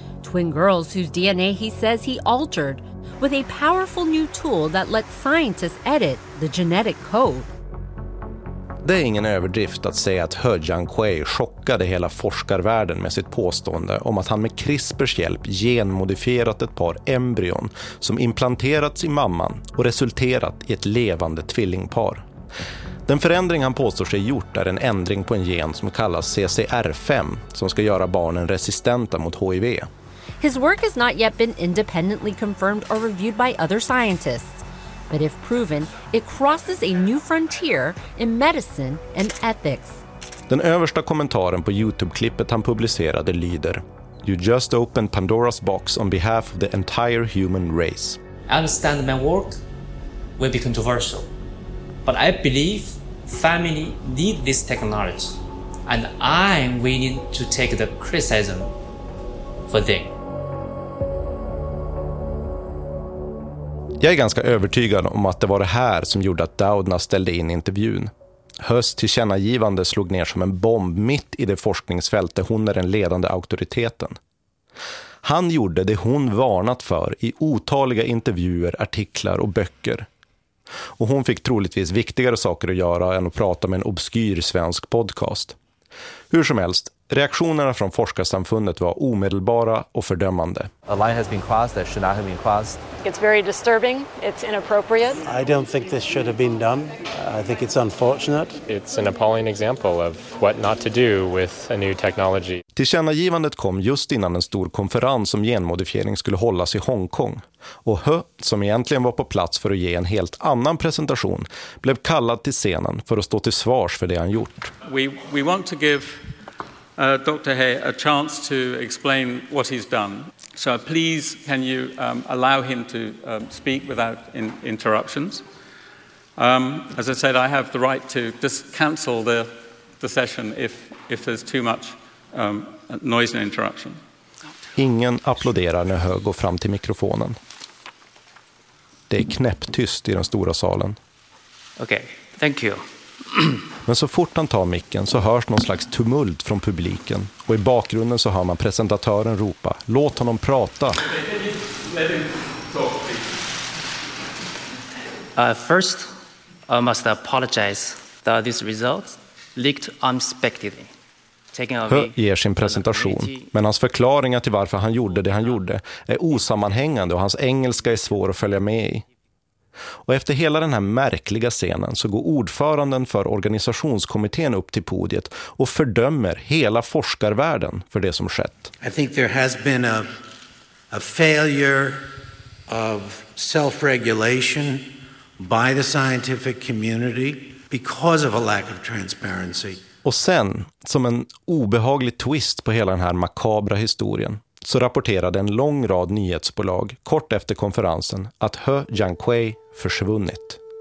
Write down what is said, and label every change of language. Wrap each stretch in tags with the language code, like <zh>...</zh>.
<en>Twin girls whose DNA he says he altered with a powerful new tool that lets scientists edit the genetic code.</en> <sv>Det är ingen överdrift att säga att He Jiankui chockade hela forskarvärlden med sitt påstående om att han med CRISPRs hjälp genmodifierat ett par embryon som implanterats i mamman och resulterat i ett levande tvillingpar. Den förändring han påstår sig gjort är en ändring på en gen som kallas CCR5 som ska göra barnen resistenta mot HIV.</sv> <en>His work has not yet been independently confirmed or reviewed by other scientists. But if proven, it crosses a new frontier in medicine and ethics.</en> <sv>Den översta kommentaren på YouTube-klippet han publicerade lyder:</sv> <en>"You just opened Pandora's box on behalf of the entire human race." I understand my work will be controversial, but I believe family need this technology, and I'm willing to take the criticism for them.</en> <sv>Jag är ganska övertygad om att det var det här som gjorde att Doudna ställde in intervjun. Höst tillkännagivande slog ner som en bomb mitt i det forskningsfält där hon är den ledande auktoriteten. Han gjorde det hon varnat för i otaliga intervjuer, artiklar och böcker. Och hon fick troligtvis viktigare saker att göra än att prata med en obskyr svensk podcast. Hur som helst, reaktionerna från forskarsamfundet var omedelbara och fördömande.</sv> <en>A line has been crossed that should not have been crossed. It's very disturbing. It's inappropriate. I don't think this should have been done. I think it's unfortunate. It's an appalling example of what not to do with a new technology.</en> <sv>Tillkännagivandet kom just innan en stor konferens om genmodifiering skulle hållas i Hongkong. Och He, som egentligen var på plats för att ge en helt annan presentation, blev kallad till scenen för att stå till svars för det han gjort.</sv> <en>We want to give Dr. He a chance to explain what he's done. So please can you allow him to speak without interruptions. As I said, I have the right to just cancel the session if there's too much noise and interruption.</en> <sv>Ingen applåderar när He går fram till mikrofonen. Det är knäpptyst i den stora salen.</sv> <en>Okay, thank you.</en> <sv>Men så fort han tar micken så hörs någon slags tumult från publiken. Och i bakgrunden så hör man presentatören ropa: "Låt honom prata."</sv> <en>First, I must apologize that this result leaked unexpectedly.</en> <sv>He ger sin presentation, men hans förklaringar till varför han gjorde det han gjorde är osammanhängande och hans engelska är svår att följa med i. Och efter hela den här märkliga scenen så går ordföranden för organisationskommittén upp till podiet och fördömer hela forskarvärlden för det som skett.</sv> <en>I think there has been a failure of self-regulation by the scientific community because of a lack of transparency.</en> <sv>Och sen, som en obehaglig twist på hela den här makabra historien, så rapporterade en lång rad nyhetsbolag kort efter konferensen att He Jiankui försvunnit.</sv>